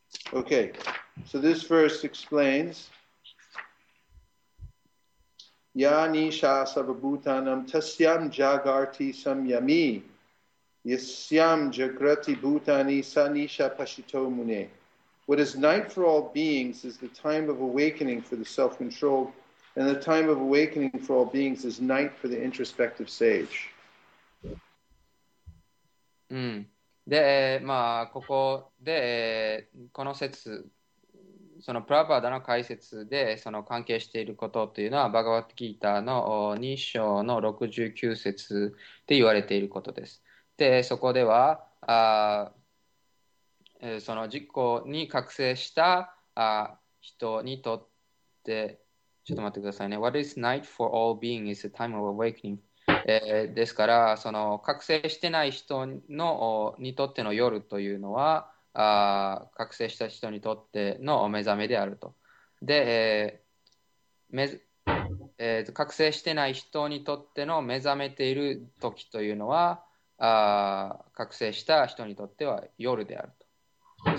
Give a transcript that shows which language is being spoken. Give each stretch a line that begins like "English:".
Sanskrit: Okay, so this verse explains Yani shasava bhutanam tasyam jagarti samyami yasyam jagrati bhutani sanisha pashito mune.
English: What is night for all beings is the time of awakening for the self-controlled, and the time of awakening for all beings is night for the introspective sage.
Japanese: うん。で、まあ、ここで、この説、そのプラパーダの解説で、その関係していることというのは、バガワッドギーターの2章の69節で言われていることです。で、そこでは、その実行に覚醒した人にとってちょっと待ってくださいね。
English: What is night for all being is the time of awakening。
Japanese: ですからその覚醒してない人のにとっての夜というのは覚醒した人にとっての目覚めであると。で、覚醒してない人にとっての目覚めている時というのは覚醒した人にとっては夜であると。